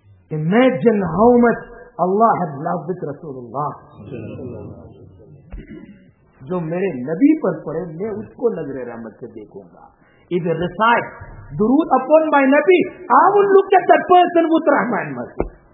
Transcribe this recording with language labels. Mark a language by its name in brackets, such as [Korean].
[English] Imagine how much Allah had loved with Rasulullah. [Urdu] جو میرے نبی پر پڑے میں اس کو نظر رحمت سے دیکھوں گا. [English] If he recites درود upon my نبی, I will look at that person with rahmah and mercy.